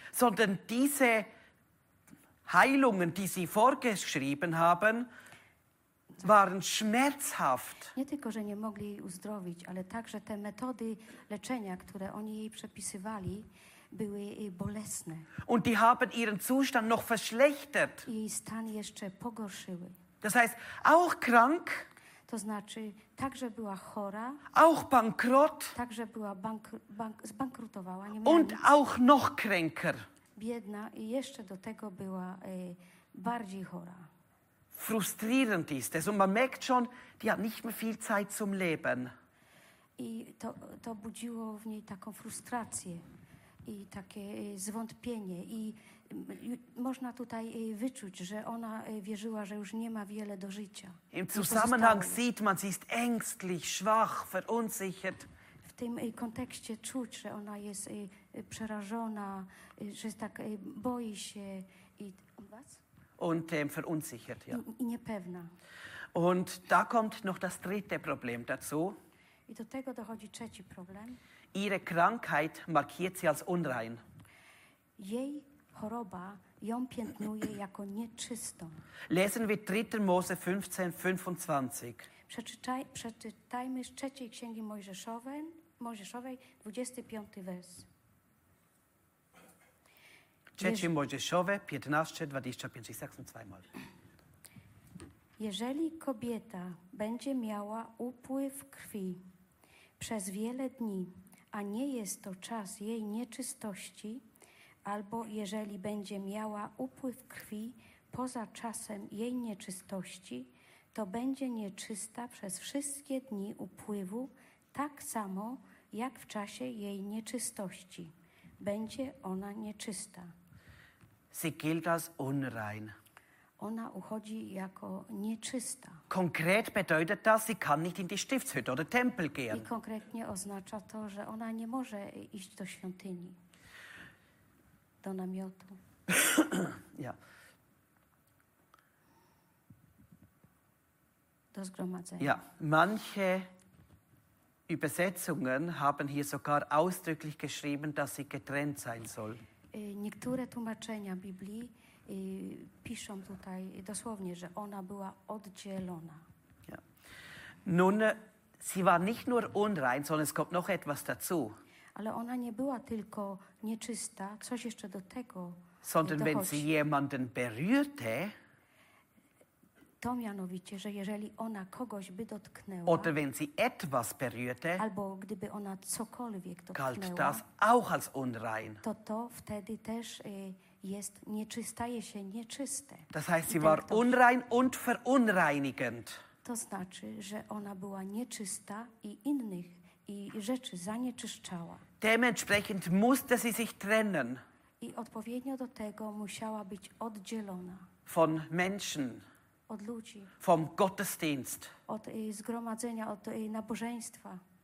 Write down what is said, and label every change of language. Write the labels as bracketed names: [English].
[German] sondern diese Heilungen, die sie vorgeschrieben haben, waren schmerzhaft. [Polish] Nie tylko, że nie mogli jej uzdrowić, ale także te metody leczenia, które oni jej przepisywali, były bolesne. [German] Und die haben ihren Zustand noch verschlechtert. [Polish] Jej stan jeszcze pogorszyły. [German] Das heißt, auch krank. [Polish] To znaczy, także była chora. [German] Auch bankrott. [Polish] Także była zbankrutowała. Nie miała [German] und [Polish] nic. [German] Auch noch kränker. [Polish] Biedna i jeszcze do tego była bardziej chora. [German] Frustrierend ist es und man merkt schon, die hat nicht mehr viel Zeit zum Leben. [Polish] I to budziło w niej taką frustrację i takie zwątpienie. I można tutaj wyczuć, że ona wierzyła, że już nie ma wiele do życia. [German] Im Zusammenhang sieht man, sie ist ängstlich, schwach, verunsichert. [Polish] W tym kontekście czuć, że ona jest przerażona, że tak boi się i was? [German] Und verunsichert, ja. [Polish] I niepewna. [German] Und da kommt noch das dritte Problem dazu. [Polish] I do tego dochodzi trzeci problem. [German] Ihre Krankheit markiert sie als unrein. [Polish] Jej choroba ją piętnuje jako nieczystą. [German] Lesen wir 3. Mose 15, 25. [Polish] Przeczytajmy z trzeciej księgi Mojżeszowej, 25 wers. Trzecie Mojżeszowe, 15, 25, 26. Jeżeli kobieta będzie miała upływ krwi przez wiele dni, a nie jest to czas jej nieczystości, albo jeżeli będzie miała upływ krwi poza czasem jej nieczystości, to będzie nieczysta przez wszystkie dni upływu, tak samo jak w czasie jej nieczystości. Będzie ona nieczysta. [German] Sie gilt als unrein. [Polish] Ona uchodzi jako nieczysta. [German] Konkret bedeutet das, sie kann nicht in die Stiftshütte oder Tempel gehen. [Polish] I konkretnie oznacza to, że ona nie może iść do świątyni, do namiotu. [German] Ja. [Polish] Do zgromadzenia. [German] Ja. Manche Übersetzungen haben hier sogar ausdrücklich geschrieben, dass sie getrennt sein soll. [Polish] Niektóre tłumaczenia Biblii piszą tutaj dosłownie, że ona była oddzielona. [German] Ja. Nun, sie war nicht nur unrein, sondern es kommt noch etwas dazu. [Polish] Ale ona nie była tylko nieczysta, coś jeszcze do tego. [German] Sondern wenn sie jemanden berührte, [Polish] to mianowicie, że jeżeli ona kogoś by dotknęła, [German] oder wenn sie etwas berührte, [Polish] albo gdyby ona cokolwiek dotknęła, [German] galt das auch als unrein. [Polish] To wtedy też jest nieczysta, staje się nieczyste. [German] Das heißt, sie war unrein und verunreinigend. [Polish] To znaczy, że ona była nieczysta i innych i rzeczy zanieczyszczała. [German] Dementsprechend musste sie sich trennen. [Polish] I odpowiednio do tego musiała być oddzielona. [German] Von Menschen. [Polish] Od ludzi. [German] Vom Gottesdienst. [Polish] Od zgromadzenia, od nabożeństwa.